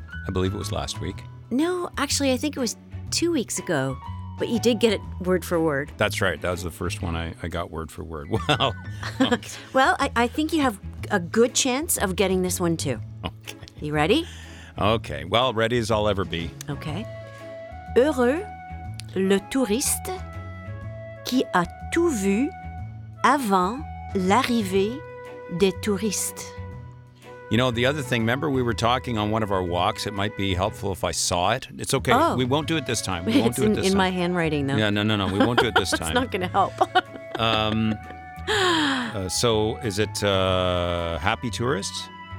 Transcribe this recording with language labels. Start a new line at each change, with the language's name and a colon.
English: I believe it was last week. No, actually, I think it was 2 weeks ago, but you did get it word for word. That's right. That was the first one I got word for word. Well, well, I think you have a good chance of getting this one, too. Okay. You ready? Okay. Well, ready as I'll ever be. Okay.
French: Heureux le touriste qui a tout vu avant l'arrivée des touristes.
English: You know, the other thing, remember we were talking on one of our walks, it might be helpful if I saw it. It's okay. Oh. We won't do it this time. We won't it's do it this in time. In my handwriting, though. Yeah, no. We won't do it this time. It's not going to help. So is it happy tourists?